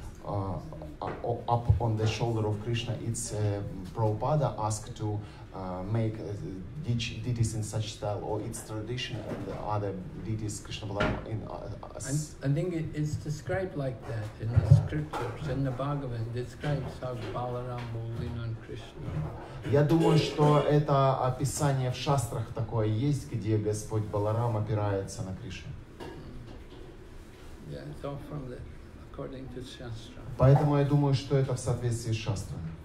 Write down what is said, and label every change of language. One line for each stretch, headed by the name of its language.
English: up on the shoulder of Krishna, it's Prabhupada asked to make deities in such style, or it's tradition and the other deities Krishna Balaram in I think it's described like that in the scriptures, in the Bhagavad, describes how Balaram will lean on Krishna.
Russian: Я думаю, что это описание в шастрах такое есть, где Господь Баларам опирается на Кришну.
English: Yeah, it's all from the, according to Shastra.
Russian: Поэтому я думаю, что это в соответствии с шастрами.